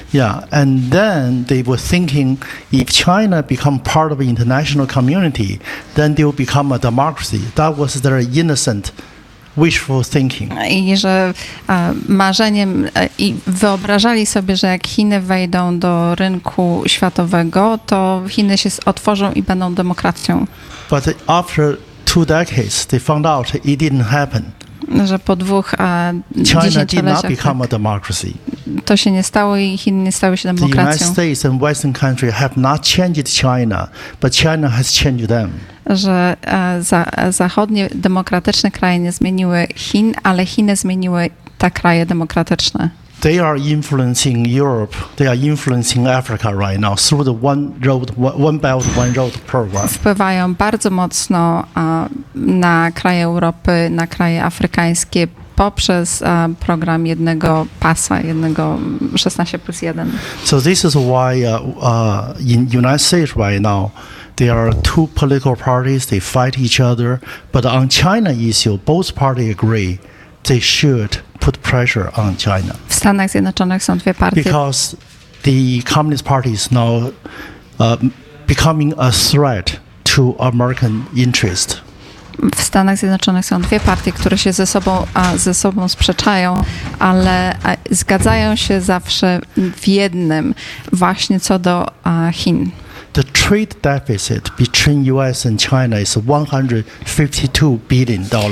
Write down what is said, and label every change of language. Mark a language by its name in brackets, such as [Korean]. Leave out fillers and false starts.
[English] Yeah, and then they were thinking if China become part of the international community, then they will become a democracy. That was their innocent wishful thinking. [Polish] I że marzeniem i wyobrażali sobie, że jak Chiny wejdą do rynku światowego, to Chiny się otworzą i będą demokracją. [English] But after two decades, they found out it didn't happen. [Polish] Że po dwóch dziesięcioleciach to się nie stało i Chiny nie stały się demokracją. [English] The United States and Western country have not changed China, but China has changed them. [Polish] Że zachodnie demokratyczne kraje nie zmieniły Chin, ale Chiny zmieniły te kraje demokratyczne. [English] They are influencing Europe. They are influencing Africa right now through the One Road, One Belt, One Road program. [Polish] Wpływają bardzo mocno na kraje Europy, na kraje afrykańskie poprzez program jednego pasa, jednego 16+1. [English] So this is why in United States right now there are two political parties. They fight each other, but on China issue, both parties agree they should put pressure on China. [Polish] W Stanach Zjednoczonych są dwie partie. [English] Because the Communist Party is now becoming a threat to American interest. [Polish] W Stanach Zjednoczonych są dwie partie, które się ze sobą sprzeczają, ale zgadzają się zawsze w jednym, właśnie co do Chin. [English] The trade deficit between US and China is $152 billion.